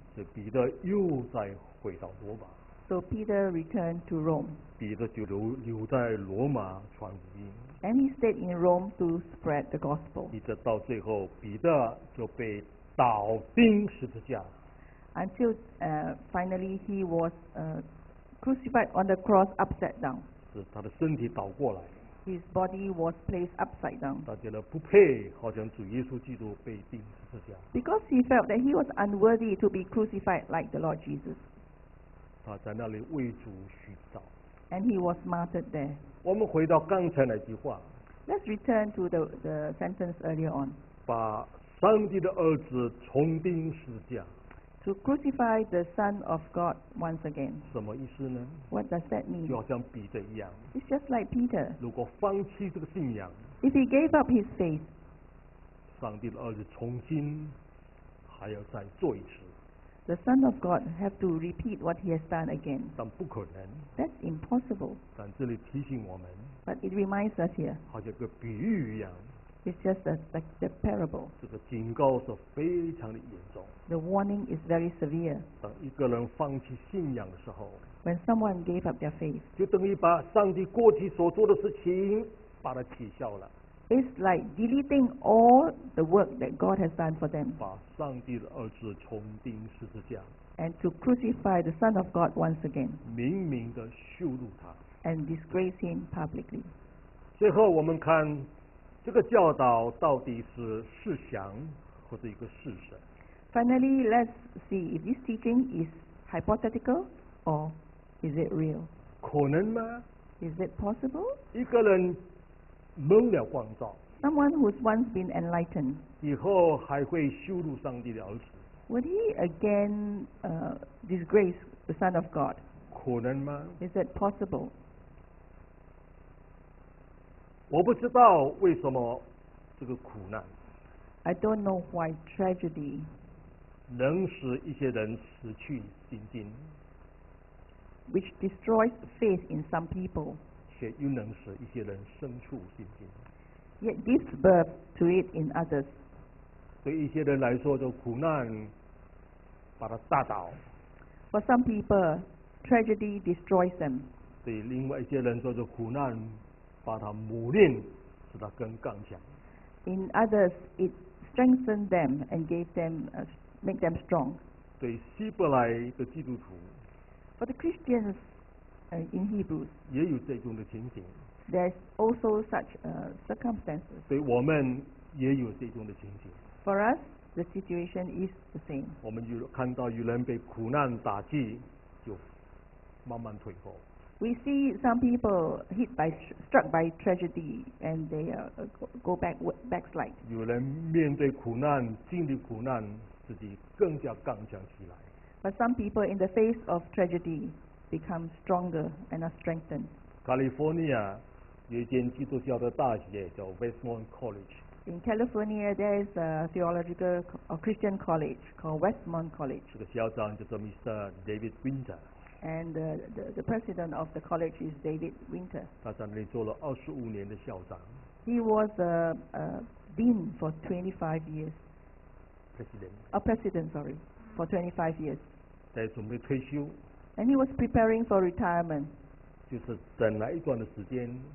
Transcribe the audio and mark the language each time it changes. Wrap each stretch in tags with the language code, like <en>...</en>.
<zh>所以彼得又再回到罗马。</zh> <en>So Peter returned to Rome.</en> <zh>彼得就留在罗马传福音。</zh> <en>And he stayed in Rome to spread the gospel.</en> <zh>一直到最后，彼得就被倒钉十字架。</zh> <en>Until finally he was crucified on the cross upside down.</en> <zh>是他的身体倒过来。</zh> <en>His body was placed upside down.</en> <zh>他觉得不配，好像主耶稣基督被钉十字架。</zh> <en>Because he felt that he was unworthy to be crucified like the Lord Jesus.</en> <zh>他在那里为主殉道。</zh> <en>And he was martyred there.</en> <zh>我们回到刚才那句话。</zh> <en>Let's return to the sentence earlier on.</en> <zh>把上帝的儿子重钉十字架。</zh> <en>To crucify the Son of God once again.</en> <zh>什么意思呢？</zh> <en>What does that mean?</en> <zh>就好像彼得一样。</zh> <en>It's just like Peter.</en> <zh>如果放弃这个信仰。</zh> <en>If he gave up his faith.</en> <zh>上帝的儿子重新还要再做一次。</zh> <en>The Son of God has to repeat what he has done again.</en> <zh>但不可能。</zh> <en>That's impossible.</en> <zh>但这里提醒我们。</zh> <en>But it reminds us here.</en> <zh>好像个比喻一样。</zh> <en>It's just a parable.</en> <zh>这个警告是非常的严重。</zh> <en>The warning is very severe.</en> <zh>当一个人放弃信仰的时候。</zh> <en>When someone gave up their faith.</en> <zh>就等于把上帝过去所做的事情把它取消了。</zh> <en>It's like deleting all the work that God has done for them.</en> <zh>把上帝的儿子重钉十字架。</zh> <en>And to crucify the Son of God once again.</en> <zh>明明的羞辱他。</zh> <en>And disgrace him publicly.</en> <zh>最后我们看这个教导到底是是想或者一个事实。</zh> <en>Finally, let's see if this teaching is hypothetical or is it real?</en> <zh>可能吗？</zh> <en>Is it possible?</en> <zh>一个人蒙了光照。</zh> <en>Someone who's once been enlightened.</en> <zh>以后还会羞辱上帝的儿子。</zh> <en>Would he again disgrace the Son of God?</en> <zh>可能吗？</zh> <en>Is it possible?</en> <zh>我不知道为什么这个苦难。</zh> <en>I don't know why tragedy.</en> <zh>能使一些人失去信心。</zh> <en>Which destroys faith in some people.</en> <zh>却又能使一些人生出信心。</zh> <en>Yet gives birth to it in others.</en> <zh>对一些人来说，这苦难把它打倒。</zh> <en>For some people, tragedy destroys them.</en> <zh>对另外一些人说，这苦难把他磨练，使他更刚强。</zh> <en>In others, it strengthened them and gave them, make them strong.</en> <zh>对希伯来的基督徒。</zh> <en>For the Christians, in Hebrews.</en> <zh>也有这种的情形。</zh> <en>There's also such circumstances.</en> <zh>对我们也有这种的情形。</zh> <en>For us, the situation is the same.</en> <zh>我们就看到有人被苦难打击，就慢慢退后。</zh> <en>We see some people hit by, struck by tragedy, and they go backslide.</en> <zh>有人面对苦难，经历苦难，自己更加刚强起来。</zh> <en>But some people in the face of tragedy become stronger and are strengthened.</en> <zh>California 有一间基督教的大学叫 Westmont College.</zh> <en>In California, there is a theological or Christian college called Westmont College.</en> <zh>这个校长叫做 Mr. David Winter.</zh> <en>And the president of the college is David Winter.</en> <zh>他在那里做了二十五年的校长。</zh> <en>He was a dean for 25 years. President. A president, sorry, for 25 years.</en> <zh>在准备退休。</zh> <en>And he was preparing for retirement.</en> <zh>就是等了一段的时间。</zh>